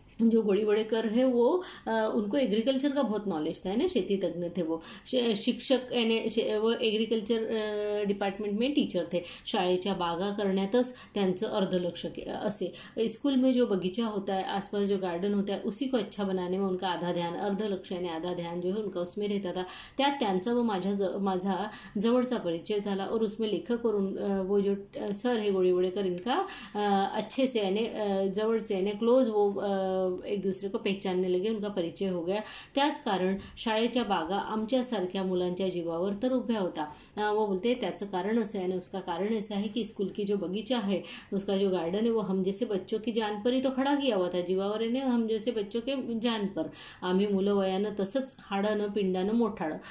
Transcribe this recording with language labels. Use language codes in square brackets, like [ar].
[hi] जो घोड़ीवडेकर है वो उनको एग्रीकल्चर का बहुत नॉलेज था, है ना, खेती तज्ञ थे वो, शिक्षक एने वो एग्रीकल्चर डिपार्टमेंट में टीचर थे, [mr] शाळेच्या बागा करण्यातच त्यांचं अर्ध लक्ष असे, [hi] स्कूल में जो बगीचा होता है, आसपास जो गार्डन होता है, उसी को अच्छा बनाने में उनका आधा ध्यान, अर्ध लक्ष आणि आधा ध्यान जो है उनका उसमें रहता था। [mr] त्यात त्यांचा व माझा जवळचा परिचय झाला, [hi] और उसमें लेखक और वो जो सर है घोड़ीवडेकर, इनका अच्छे से यानी जवळ से यानी क्लोज वो एक दूसरे को पहचानने लगे, उनका परिचय हो गया। [mr] त्याच कारण शाळेच्या बागा आमच्या सारख्या मुलांच्या जीवावर तर उभ्या होता। [hi] वो बोलते [mr] त्याचं कारण असं आहे, [hi] आणि उसका कारण ऐसा है कि स्कूल की जो बगीचा है, उसका जो गार्डन है, वो हम जैसे बच्चों की जान पर ही तो खड़ा किया हुआ था, जीवावर ने हम जैसे बच्चों के जान पर, [mr] आम्ही मुलं वयानं तसंच हाडानं पिंडानं मोठाडं।